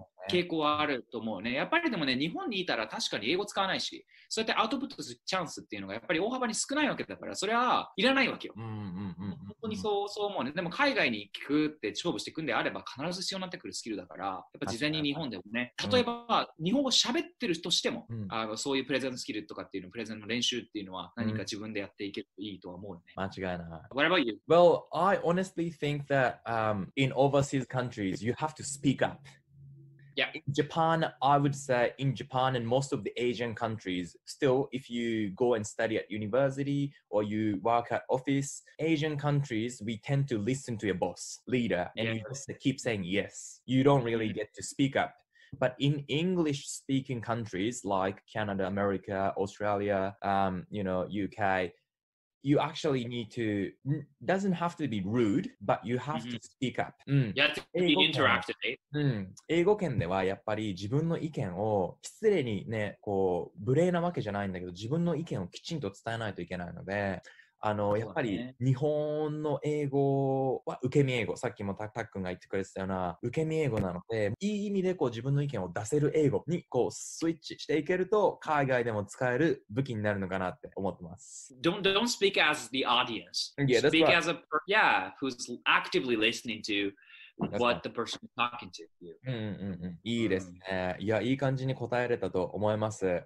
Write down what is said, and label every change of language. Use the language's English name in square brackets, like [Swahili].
[Japanese] 傾向はあると思うね。やっぱりでもね、日本にいたら確かに英語使わないし、そうやってアウトプットするチャンスっていうのがやっぱり大幅に少ないわけだから、それはいらないわけよ、本当にそう、そう思うね。でも海外に行くって勝負していくんであれば必ず必要になってくるスキルだから、やっぱ事前に日本でもね、例えば日本語喋ってる人としても、そういうプレゼンスキルとかっていうの、プレゼンの練習っていうのは何か自分でやっていけるといいとは思うね。間違いない。 [English] What about you? Well, I honestly think that、in overseas countries you have to speak up Yeah. In Japan, I would say in Japan and most of the Asian countries, still, if you go and study at university or you work at office, Asian countries, we tend to listen to your boss, leader, and you just keep saying yes. You don't really get to speak up. But in English speaking countries like Canada, America, Australia, you know, UK, you actually need to, doesn't have to be rude, but you have to speak up. You have to be interactive. [Japanese] 英語圏ではやっぱり自分の意見を失礼にね、こう無礼なわけじゃないんだけど、自分の意見をきちんと伝えないといけないので、あの、やっぱり日本の英語は受け身英語、さっきもたっくんが言ってくれてたような受け身英語なので、いい意味でこう自分の意見を出せる英語にこうスイッチしていけると海外でも使える武器になるのかなって思ってます。 [English] Don't speak as the audience. Yeah, speak as a person, yeah, who's actively listening to what the person is talking to you. [Japanese] いいですね。いや、いい感じに答えれたと思います。